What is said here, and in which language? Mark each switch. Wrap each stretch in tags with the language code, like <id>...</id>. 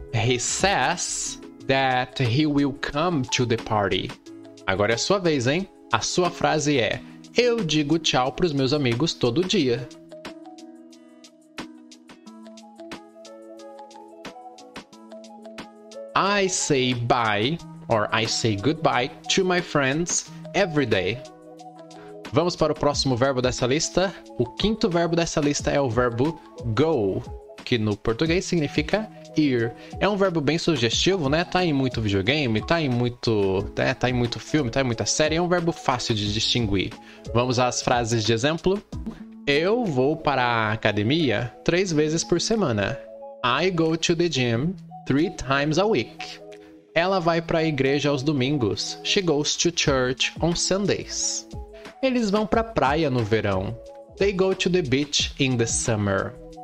<en>He says that he will come to the party.</en> <pt>Agora é a sua vez, hein? A sua frase é: eu digo tchau para os meus amigos todo dia.</pt> <en>I say bye, or I say goodbye, to my friends every day.</en> <pt>Vamos para o próximo verbo dessa lista. O quinto verbo dessa lista é o verbo go, que no português significa ir. É um verbo bem sugestivo, né? Tá em muito videogame, tá em muito, né? Tá em muito filme, tá em muita série. É um verbo fácil de distinguir. Vamos às frases de exemplo. Eu vou para a academia 3 vezes por semana.</pt> <en>I go to the gym 3 times a week.</en> <pt>Ela vai para a igreja aos domingos.</pt> <en>She goes to church on Sundays.</en> <pt>Eles vão para a praia no verão.</pt> <en>They go to the beach in the summer.</en>